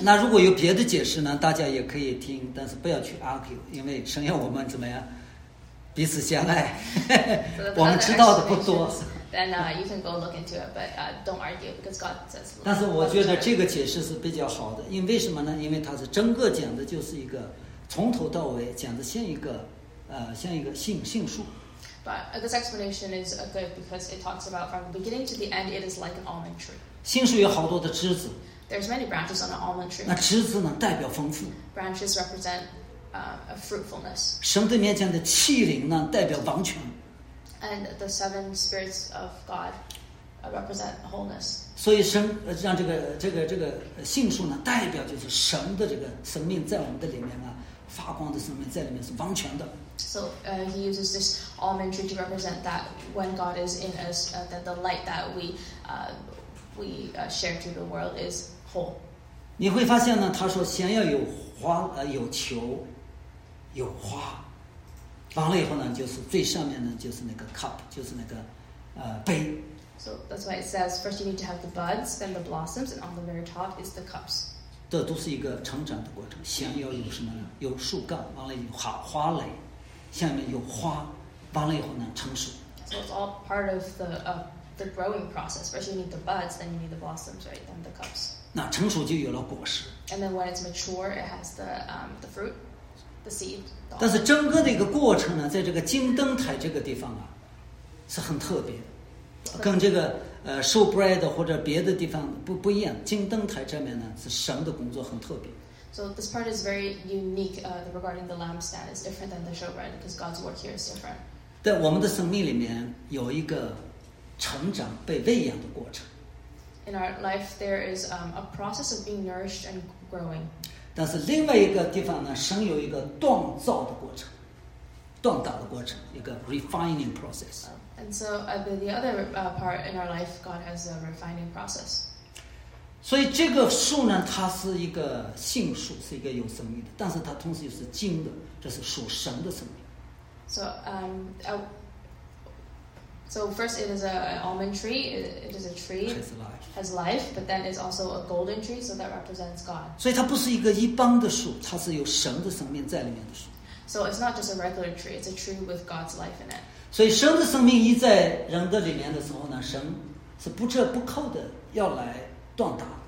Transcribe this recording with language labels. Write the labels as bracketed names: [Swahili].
[Chinese] 那如果有别的解释呢，大家也可以听，但是不要去 argue， 因为剩下我们怎么样，彼此相爱，我们知道的不多。 [English] Then you can go look into it, but don't argue because God says. [Chinese] 但是我觉得这个解释是比较好的，因为什么呢？因为它是整个讲的就是一个从头到尾讲的像一个像一个杏树。 [English] But this explanation is good because it talks about from the beginning to the end. It is like an almond tree. [Chinese] 杏树有好多的枝子。 [English] There's many branches on an almond tree. [Chinese] 那枝子呢，代表丰富。 [English] Branches represent fruitfulness. [Chinese] 神的面前的器灵呢，代表完全。 [English] And the seven spirits of God represent wholeness. [Chinese] 所以神让这个杏树呢，代表就是神的这个生命在我们的里面啊，发光的生命在里面是完全的。 [English] So he uses this almond tree to represent that when God is in us, that the light that we share to the world is whole. [Chinese] 你会发现呢，他说先要有花，有球，有花。完了以后呢，就是最上面呢，就是那个 cup， 就是那个杯。 [English] So that's why it says first you need to have the buds, then the blossoms, and on the very top is the cups. [Chinese] 这都是一个成长的过程。先要有什么？有树干，完了有花蕾，下面有花，完了以后呢，成熟。 [English] So it's all part of the growing process. First you need the buds, then you need the blossoms, right? Then the cups. [Chinese] 那成熟就有了果实。 [English] And then when it's mature, it has the fruit. [Chinese] 但是整个的一个过程呢，在这个金灯台这个地方啊，是很特别，跟这个show bread 或者别的地方不一样。金灯台这边呢，是神的工作很特别。 [English] So this part is very unique. Regarding the lampstand is different than the show bread because God's work here is different. [Chinese] 在我们的生命里面有一个成长被喂养的过程。 [English] In our life, there is a process of being nourished and growing. [Chinese] 但是另外一个地方呢，神有一个锻造的过程，锻打的过程，一个 [English] refining process。 And so the other part in our life, God has a refining process. [Chinese] 所以这个树呢，它是一个杏树，是一个有生命的，但是它同时又是金的，这是属神的生命。 [English] So first it is an almond tree, it is a tree, has life, but then it's also a golden tree, so that represents God. [Chinese] 所以它不是一个一般的树，它是有神的生命在里面的树。 [English] So it's not just a regular tree, it's a tree with God's life in it. [Chinese] 所以神的生命一在人的里面的时候呢，神是不折不扣的要来锻打。